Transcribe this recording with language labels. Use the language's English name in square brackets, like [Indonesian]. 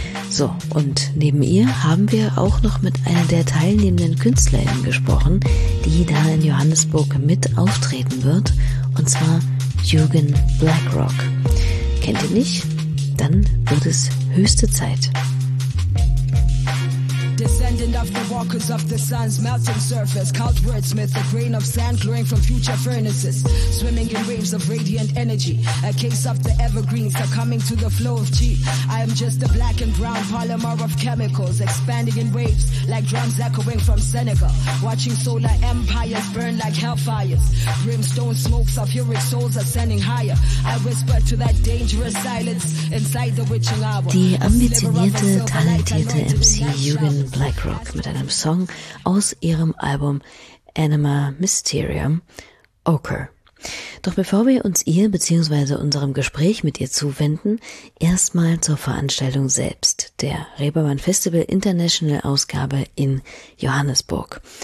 [German] So, und neben ihr haben wir auch noch mit einer der teilnehmenden KünstlerInnen gesprochen, die da in Johannesburg mit auftreten wird, und zwar Jürgen Blackrock. Kennt ihr nicht? Dann wird es höchste Zeit. [English] Descending off the walkers of the sun's melting surface, cult wordsmith, a grain of sand glowing from future furnaces, swimming in waves of radiant energy, a case of the evergreens succumbing to the flow of chi. I am just a black and brown polymer of chemicals, expanding in waves like drums echoing from Senegal, watching solar empires burn like hellfires, brimstone smoke sulfuric souls ascending higher. I whisper to that dangerous silence inside the witching hour. [German] Die ambitionierte, talentierte MC Jürgen Blackrock mit einem Song aus ihrem Album Anima Mysterium, Ochre. Doch bevor wir uns ihr bzw. unserem Gespräch mit ihr zuwenden, erstmal zur Veranstaltung selbst, der Reeperbahn Festival International Ausgabe in Johannesburg.